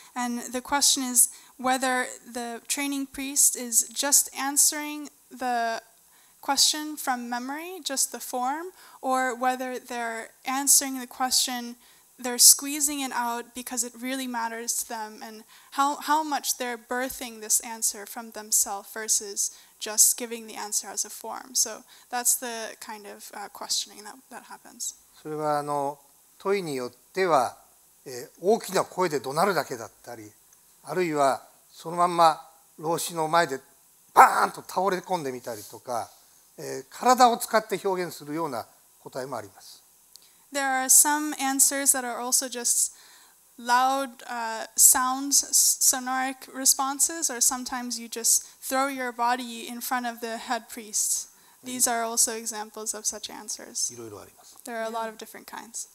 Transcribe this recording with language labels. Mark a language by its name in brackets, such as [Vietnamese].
[English] And the question is whether the training priest is just answering the question from memory, just the form, or whether they're answering the question, they're squeezing it out because it really matters to them, and how much they're birthing this answer from themselves versus just giving the answer as a form. So that's the kind of questioning that happens. [Japanese] それは問いによっては、大きな声で怒鳴るだけだったり、あるいはそのまんま老子の前でバーンと倒れ込んでみたりとか、体を使って表現するような答えもあります。 [English] There are some answers that are also just loud sounds, sonoric responses, or sometimes you just throw your body in front of the head priest. These are also examples of such answers. [Japanese] いろいろあります。 [English] There are a lot of different kinds.